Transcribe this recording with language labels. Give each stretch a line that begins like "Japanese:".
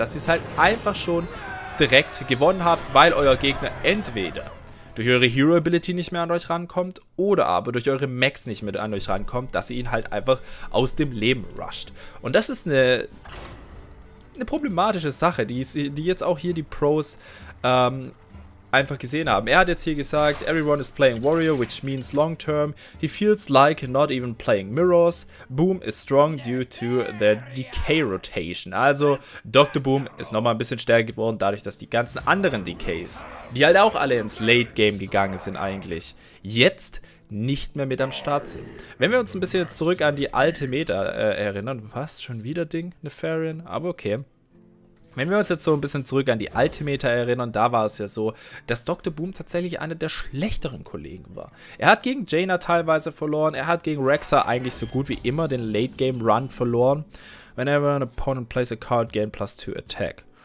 German: Dass ihr es halt einfach schon direkt gewonnen habt, weil euer Gegner entweder durch eure Hero-Ability nicht mehr an euch rankommt oder aber durch eure Max nicht mehr an euch rankommt, dass ihr ihn halt einfach aus dem Leben rusht. Und das ist eine problematische Sache, die jetzt auch hier die Pros einfach gesehen haben. Er hat jetzt hier gesagt,
English: everyone is playing Warrior, which means long term. He feels like not even playing Mirrors. Boom is strong due to the Decay Rotation.
German: Also, Dr. Boom ist nochmal ein bisschen stärker geworden, dadurch, dass die ganzen anderen Decays, die halt auch alle ins Late Game gegangen sind eigentlich, jetzt nicht mehr mit am Start sind. Wenn wir uns ein bisschen zurück an die alte Meta erinnern, was, schon wieder Ding, Nefarian? Aber okay. Wenn wir uns jetzt so ein bisschen zurück an die alte Meta erinnern, da war es ja so, dass Dr. Boom tatsächlich einer der schlechteren Kollegen war. Er hat gegen Jaina teilweise verloren, er hat gegen Rexxar eigentlich so gut wie immer den Late-Game-Run verloren.
English: Whenever an opponent plays a card, gain plus 2 attack.